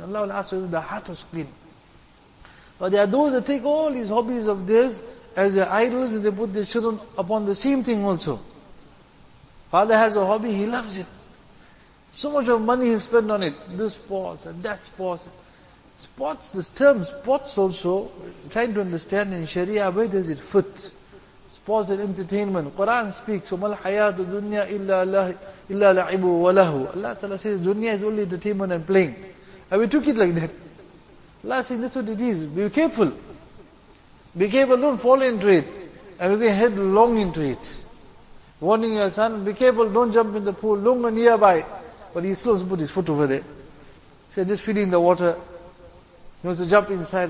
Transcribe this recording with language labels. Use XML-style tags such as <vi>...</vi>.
<en>Allah will ask whether the heart was clean. But there are those that take all these hobbies of theirs as their idols and they put their children upon the same thing also. Father has a hobby, he loves it. So much of money he spent on it. This sports and that sports. Sports, this term sports also, trying to understand in Sharia, where does it fit? Sports and entertainment. Quran speaks,</en> <ar>وَمَا الْحَيَاةُ دُنْيَا إِلَّا لَعِبُ وَلَهُ.</ar> <en>Allah Ta'ala says, dunya is only entertainment and playing. And we took it like that. Allah says, that's what it is. Be careful. Be careful, don't fall into it. And we can head long into it. Warning your son, be careful, don't jump in the pool, don't go nearby. But he still put his foot over there. He said, just feeding the water. He wants to jump inside.</en>